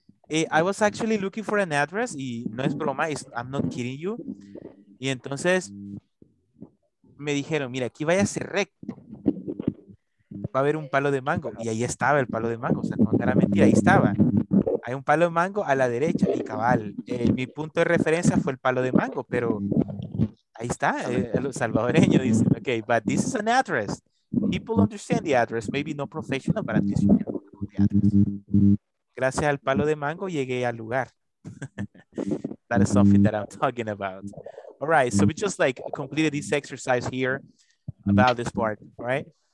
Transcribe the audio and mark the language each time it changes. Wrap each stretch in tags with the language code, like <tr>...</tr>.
<en>I was actually looking for an address,</en> <es>y no es broma,</es> <en>I'm not kidding you.</en> <es>Y entonces me dijeron, mira, aquí váyase recto. Va a haber un palo de mango. Y ahí estaba el palo de mango. O sea, no era mentira, ahí estaba. Hay un palo de mango a la derecha. Y cabal, mi punto de referencia fue el palo de mango. Pero ahí está, el salvadoreño dice, ok,</es> <en>but this is an address. People understand the address. Maybe no professional, but at least you know the address.</en> <es>Gracias al palo de mango llegué al lugar.</es> <en>That is something that I'm talking about. All right, so we just like completed this exercise here about this part, right?</en>